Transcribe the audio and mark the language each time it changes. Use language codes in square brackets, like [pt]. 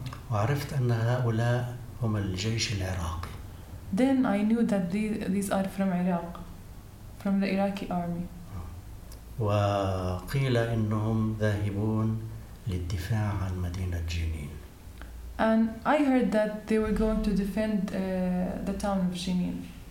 [ar] وعرفت أن هؤلاء هم الجيش العراقي. [en] Then I knew that these are from Iraq, from the Iraqi army. [ar] وقيل إنهم ذاهبون للدفاع عن مدينة جنين. [en] And I heard that they were going to defend the town of Jenin.